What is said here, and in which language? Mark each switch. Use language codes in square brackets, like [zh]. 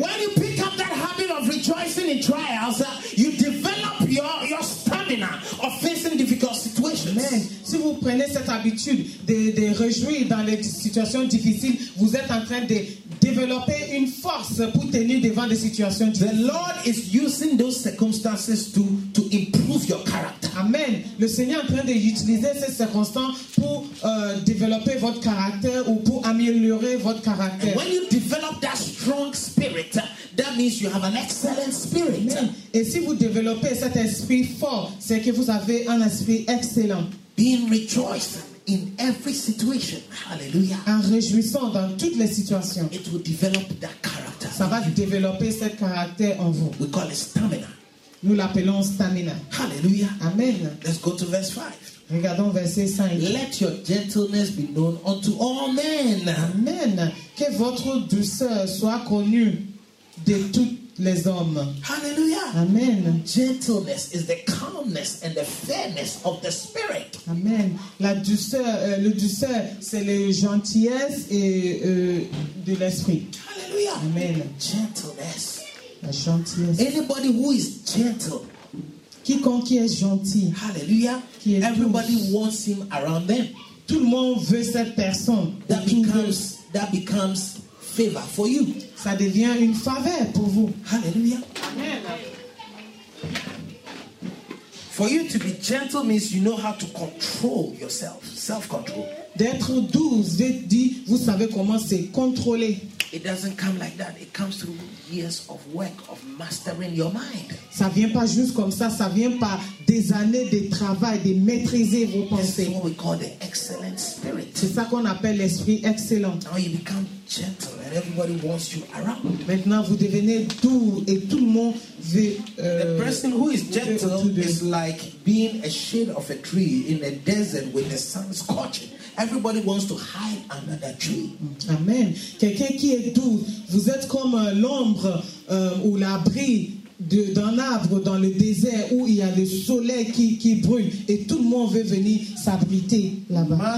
[en] When you pick up that habit of rejoicing in trials, you develop your stamina of facing difficult situations. Amen. [fr] Si vous prenez cette habitude de réjouir dans les situations difficiles, vous êtes en train de développer une force pour tenir devant des situations difficiles. [en] The Lord is using those circumstances to improve your character. Amen. [fr] Le Seigneur est en train d'utiliser ces circonstances pour développer votre caractère ou pour améliorer votre caractère. [en] And when you develop that strong spirit, that means you have an excellent spirit. Amen. [fr] Et si vous développez cet esprit fort, c'est que vous avez un esprit excellent. [en] Being rejoiced in every situation. Hallelujah. [fr] En réjouissant dans toutes les situations. [en] It will develop that character. [fr] Ça va développer ce caractère en vous. [en] We call it stamina. [fr] Nous l'appelons stamina. Hallelujah. Amen. [en] Let's go to verse 5. [fr] Regardons verset 5. [en] Let your gentleness be known unto all men. Amen. [fr] Que votre douceur soit connue de tous les hommes. Hallelujah. Amen. [en] Gentleness is the calmness and the fairness of the spirit. Amen. [fr] La douceur, le douceur, c'est la gentillesse et de l'esprit. Hallelujah. Amen. [en] Gentleness. [fr] La gentillesse. [en] Anybody who is gentle. [fr] Quiconque qui est gentil. Hallelujah. Qui est [en] everybody [fr] douce. [en] Wants him around them. [fr] Tout le monde veut cette personne. [en] That becomes favor for you. [fr] Ça devient une faveur pour vous. Hallelujah. Amen. [en] For you to be gentle means you know how to control yourself. Self-control. [fr] D'être doux veut dire vous savez comment se contrôler. [en] It doesn't come like that. It comes through years of work of mastering your mind. [fr] Ça vient pas juste comme ça. Ça vient par des années de travail de maîtriser vos pensées. [en] What we call the excellent spirit. [fr] C'est ça qu'on appelle l'esprit excellent. [en] Now you become gentle, and everybody wants you around. [fr] Maintenant vous devenez doux et tout le monde veut. [en] The person who is gentle is like being a shade of a tree in a desert when the sun is scorching. Everybody wants to hide under that tree. Amen. [fr] Quelqu'un qui est doux, vous êtes comme l'ombre ou l'abri d'un arbre dans le désert où il y a le soleil qui brûle et tout le monde veut venir s'abriter là-bas.